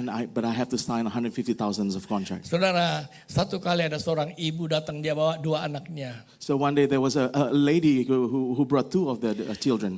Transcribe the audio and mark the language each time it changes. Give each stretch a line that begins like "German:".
English: But I have to sign 150,000 of contract.
Indonesian: Saudara, satu kali ada seorang ibu datang, dia bawa 2 anaknya.
English: So one day there was a lady who brought 2 of the children.